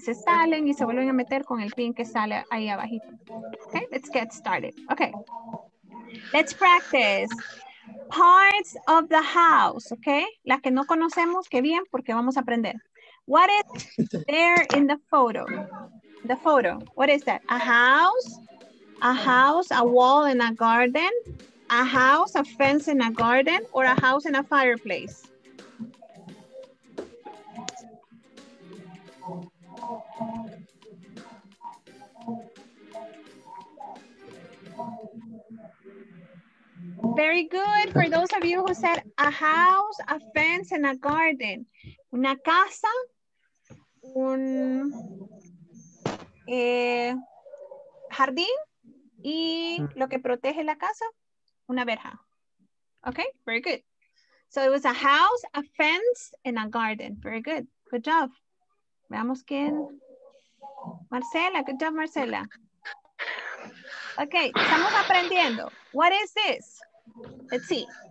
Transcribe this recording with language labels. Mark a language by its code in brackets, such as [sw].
[es] Se salen y se vuelven a meter con el pin que sale ahí abajito. [en] Okay, let's get started. Okay. Let's practice. Parts of the house, okay? [es] Las que no conocemos, qué bien, porque vamos a aprender. [en] What is there in the photo? The photo, what is that? A house, a wall and a garden, a house, a fence and a garden, or a house and a fireplace? Very good. For those of you who said a house, a fence, and a garden. [es] Una casa, un jardín, y lo que protege la casa, una verja. [en] Okay, very good. So it was a house, a fence, and a garden. Very good. Good job. [es] Veamos quién. [en] Marcela, good job, Marcela. Okay, [es] estamos aprendiendo. [en] What is this? Let's see.